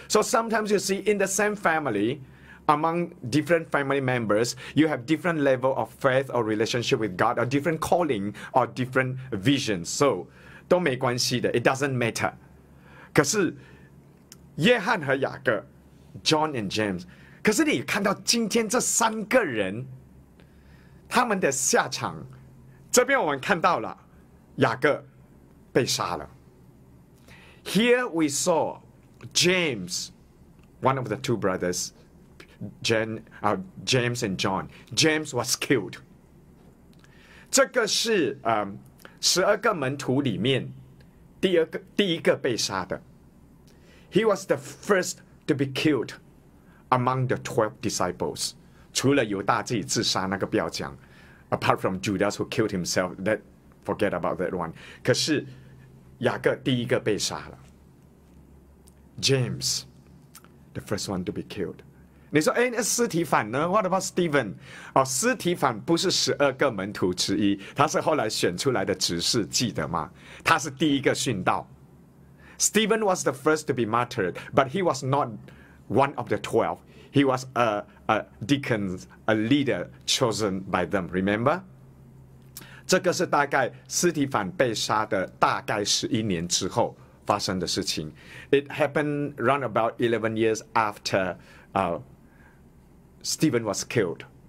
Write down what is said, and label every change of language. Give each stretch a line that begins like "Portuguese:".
English: So sometimes you see in the same family. Among different family members, you have different level of faith or relationship with God, or different calling, or different vision.
Chinese: So, 都没关系的
English: it doesn't matter.
Chinese: 可是约翰和雅各 John and James, 可是你看到今天这三个人他们的下场这边我们看到了雅各被杀了
English: Here we saw James, one of the two brothers,James and John. James was killed.
Chinese: 这个是十二个门徒里面第一个被杀的。
English: He was the first to be killed among the 12 disciples.
Chinese: 除了犹大自己自杀那个不要讲
English: Apart from Judas who killed himself, that forget about that one.
Chinese: 可是雅各第一个被杀了。James.
English: the first one to be killed.
Chinese: 你说，哎，那斯提凡呢 ？
English: What about Stephen？
Chinese: 哦，斯提凡不是十二个门徒之一，他是后来选出来的执事，记得吗？他是第一个殉道。
English: Stephen was the first to be martyred, but he was not one of the twelve. He was a deacon, a leader chosen by them. Remember?
Chinese: 这个是大概斯提凡被杀的大概十一年之后发生的事情。
English: It happened round about 11 years after Stephen was killed.